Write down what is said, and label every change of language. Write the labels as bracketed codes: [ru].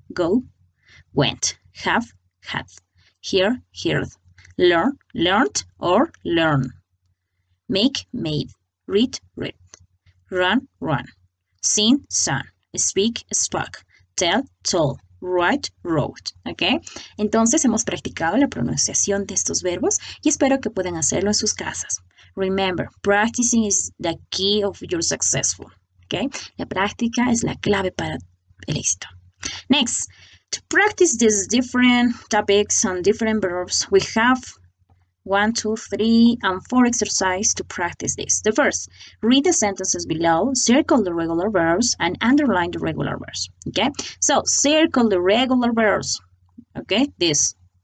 [en] Go, went. Have, had. Hear, heard. Learn, learnt, or learn. Make, made. Read, read. Run, run. Sing, sung. Speak, spoke. Tell, told. Write, wrote. ¿Ok? [es] Entonces hemos practicado la pronunciación de estos verbos y espero que puedan hacerlo en sus casas. [en] Remember, practicing is the key of your successful. ¿Ok? [es] La práctica es la clave para el éxito. [en] Next, to practice these different topics and different verbs, we have 1, 2, 3, and 4 exercises to practice this. The first, read the sentences below, circle the regular verbs, and underline the regular verbs. Okay? So, circle the regular verbs. Okay? This.